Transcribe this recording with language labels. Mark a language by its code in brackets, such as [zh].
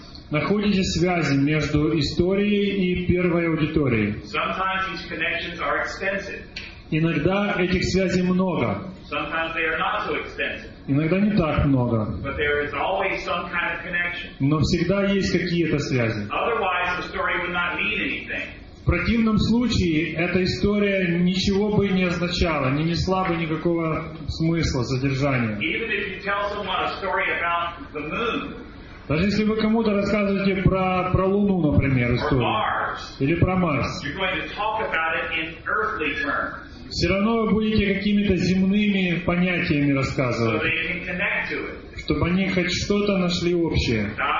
[ru] Находите связи между историей и первой аудиторией. Иногда этих связей много. [en] Sometimes they are not so extensive. [ru] Иногда не так много. [en] But there is always some kind of connection. [ru] Но всегда есть какие-то связи. [en] Otherwise, the story would not mean anything. [ru] В противном случае эта история ничего бы не означала, не несла бы никакого смысла, содержания. [en] Even if you tell someone a story about the moon. [ru] Даже если вы кому-то рассказываете про Луну, например, историю, или про Марс, все равно вы будете какими-то земными понятиями рассказывать, чтобы они хоть что-то нашли общее.